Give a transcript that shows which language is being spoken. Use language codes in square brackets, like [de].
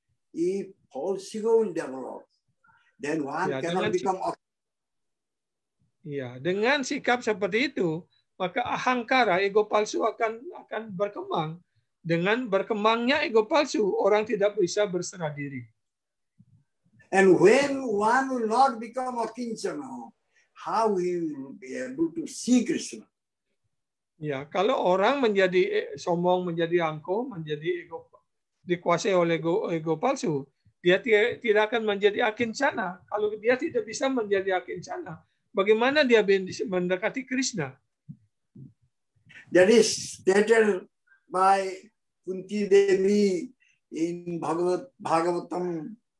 [en] If false ego will develop, then one cannot become awesome. [id] Ya, dengan sikap seperti itu, maka ahankara, ego palsu akan berkembang. Dengan berkembangnya ego palsu, orang tidak bisa berserah diri. [en] And when one will not become a kinchana, how he will be able to see Krishna? [id] Ya, kalau orang menjadi sombong, menjadi angkuh, menjadi ego, dikuasai oleh ego palsu, dia tidak akan menjadi akinchana. Kalau dia tidak bisa menjadi akinchana, bagaimana dia mendekati Krishna? [en] That is stated by Kunti Devi in Bhagavatam.